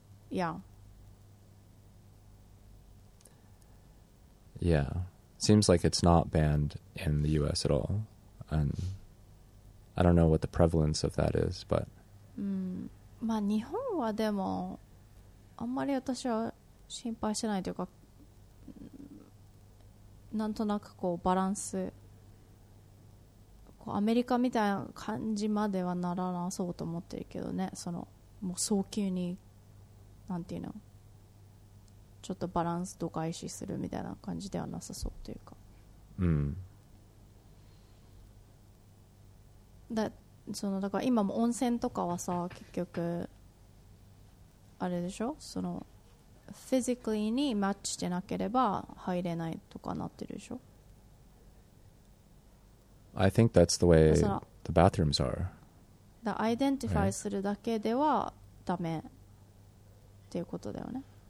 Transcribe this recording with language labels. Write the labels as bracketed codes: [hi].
[en] Yeah. Yeah, seems like it's not banned in the US at all. And I don't know what the prevalence of that is, but... [ja] まあ日本はでもあんまり私は心配しないというか、なんとなくこうバランス、こうアメリカみたいな感じまではならなそうと思ってるけどね、そのもう早急になんていうの、ちょっとバランス度外視するみたいな感じではなさそうというか、うん、だそのだから今も温泉とかはさ結局あれでしょ、そのフィジカルにマッチしてなければ入れないとかなってるでしょ。 [en] I think that's the way the bathrooms are. The identify、right. [ja] するだけではダメっていうことだよね。